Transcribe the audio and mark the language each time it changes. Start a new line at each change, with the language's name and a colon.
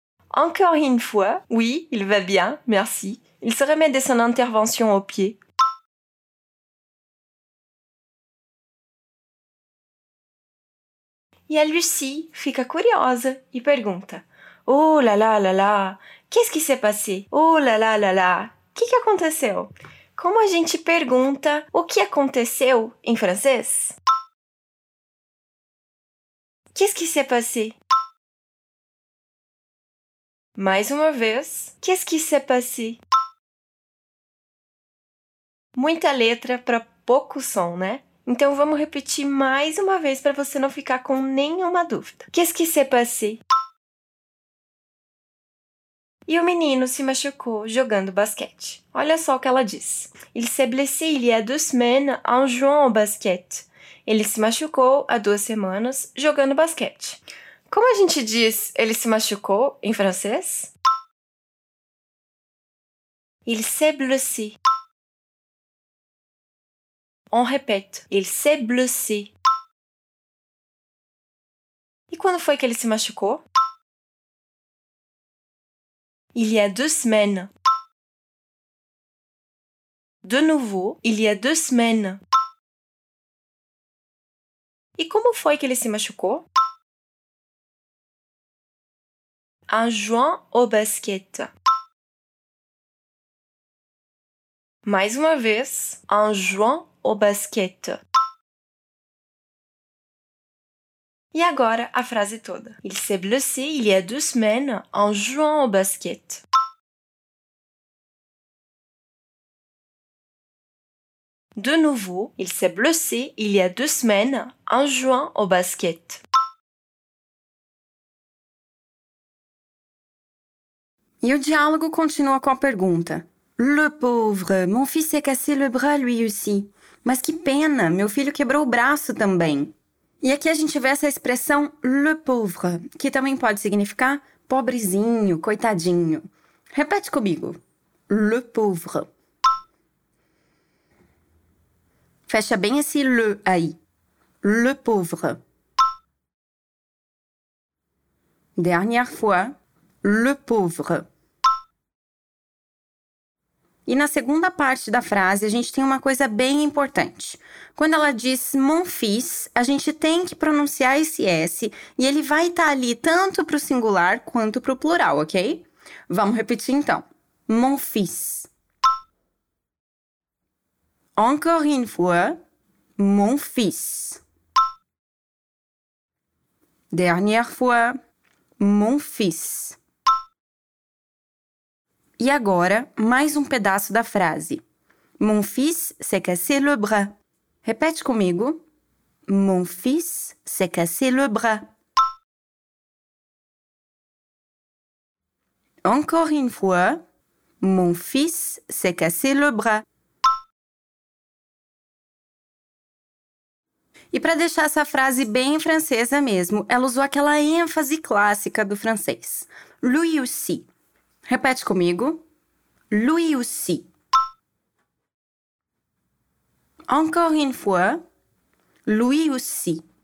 French: Encore une fois, oui, il va bien, merci. Il se remet de son intervention au pied.
Portuguese: E a Lucie fica curiosa e pergunta:
French: Oh la la la la, qu'est-ce qui s'est passé?
Portuguese: Oh la la la la, que aconteceu? Como a gente pergunta o que aconteceu em francês?
French: Qu'est-ce qui s'est passé?
Portuguese: Mais uma vez:
French: Qu'est-ce qui s'est passé?
Portuguese: Muita letra para pouco som, né? Então, vamos repetir mais uma vez para você não ficar com nenhuma dúvida.
French: Qu'est-ce qui s'est passé?
Portuguese: E o menino se machucou jogando basquete. Olha só o que ela diz.
French: Il s'est blessé il y a deux semaines en jouant au basket.
Portuguese: Ele se machucou há duas semanas jogando basquete. Como a gente diz ele se machucou em francês?
French: Il s'est blessé. On répète, il s'est blessé.
Portuguese: E quando foi que ele se machucou?
French: Il y a deux semaines. De nouveau, il y a deux semaines.
Portuguese: E como foi que ele se machucou?
French: En jouant au basket.
Portuguese: Mais uma vez,
French: en jouant au basket.
Portuguese: E agora a frase toda.
French: Il s'est blessé il y a deux semaines en jouant au basket. De nouveau, il s'est blessé il y a deux semaines en jouant au basket.
Portuguese: E o diálogo continua com a pergunta.
French: Le pauvre, mon fils s'est cassé le bras lui aussi.
Portuguese: Mas que pena, meu filho quebrou o braço também. E aqui a gente vê essa expressão
French: le pauvre,
Portuguese: que também pode significar pobrezinho, coitadinho. Repete comigo.
French: Le pauvre.
Portuguese: Fecha bem esse le aí.
French: Le pauvre. Dernière fois. Le pauvre.
Portuguese: E na segunda parte da frase, a gente tem uma coisa bem importante. Quando ela diz
French: mon fils,
Portuguese: a gente tem que pronunciar esse S e ele vai estar ali tanto para o singular quanto para o plural, ok? Vamos repetir então.
French: Mon fils. Encore une fois, mon fils. Dernière fois, mon fils.
Portuguese: E agora, mais um pedaço da frase.
French: Mon fils s'est cassé le bras.
Portuguese: Repete comigo.
French: Mon fils s'est cassé le bras. Encore une fois, mon fils s'est cassé le bras.
Portuguese: E para deixar essa frase bem francesa mesmo, ela usou aquela ênfase clássica do francês.
French: Lui aussi.
Portuguese: Repete comigo.
French: Lui aussi. Encore une fois. Lui aussi.